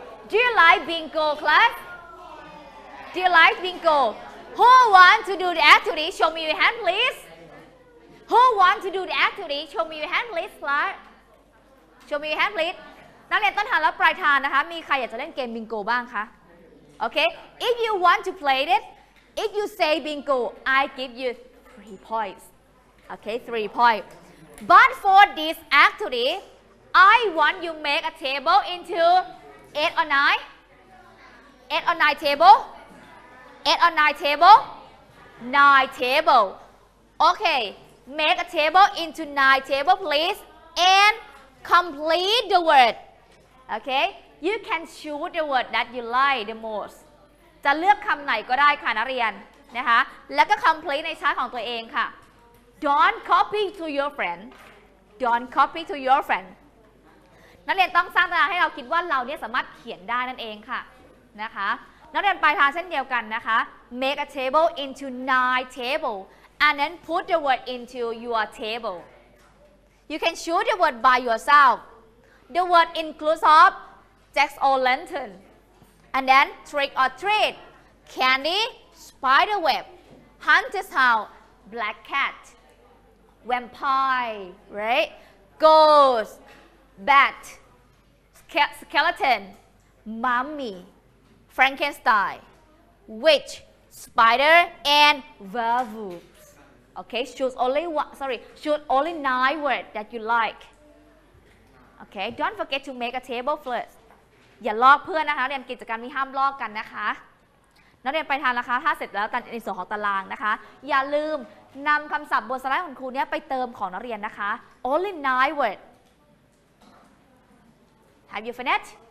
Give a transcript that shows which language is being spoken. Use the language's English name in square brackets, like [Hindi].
[English] Do you like bingo, class? Do you like bingo? Who want to do the activity? Show me your hand, please. Who want to do the activity? Show me your hand, please, class. Show me your hand, please. [Thai] นักเรียนต้นทางและปลายทางนะคะมีใครอยากจะเล่นเกมบิงโกบ้างคะ Okay. [English] If you want to play it, if you say bingo, I give you 3 points. Okay, 3 points. But for this activity,I want you make a table into 8 or 9 table eight on nine table? Nine table. Okay. Make a table into nine table, please. And complete the word. Okay. You can choose the word that you like the most. [Thai] จะเลือกคำไหนก็ได้ค่ะนักเรียนนะคะแล้วก็ complete ในชาร์ตของตัวเองค่ะ [English] Don't copy to your friend. Don't copy to your friend. [Thai] นักเรียนต้องสร้างตารางให้เราคิดว่าเราเนี่ยสามารถเขียนได้นั่นเองค่ะ นะคะนักเรียนปลายทางเช่นเดียวกันนะคะ [English] make a table into nine table and then put the word into your table you can choose the word by yourself the word includes of Jack or lantern and then trick or treat candy spider web hunter's house black cat vampire right ghostBat, skeleton, mummy, Frankenstein, witch, spider, and werewolf. Okay, choose only one. Sorry, choose only nine words that you like. Okay, don't forget to make a table first. [Thai] อย่าลอกเพื่อนนะคะเรียนกิจกรรมนี้ห้ามลอกกันนะคะนักเรียนไปทานนะคะถ้าเสร็จแล้วตันในส่วนของตารางนะคะอย่าลืมนำคำศัพท์บนสไลด์ของครูเนี้ยไปเติมของนักเรียนนะคะ [English] only nine wordHave you finished?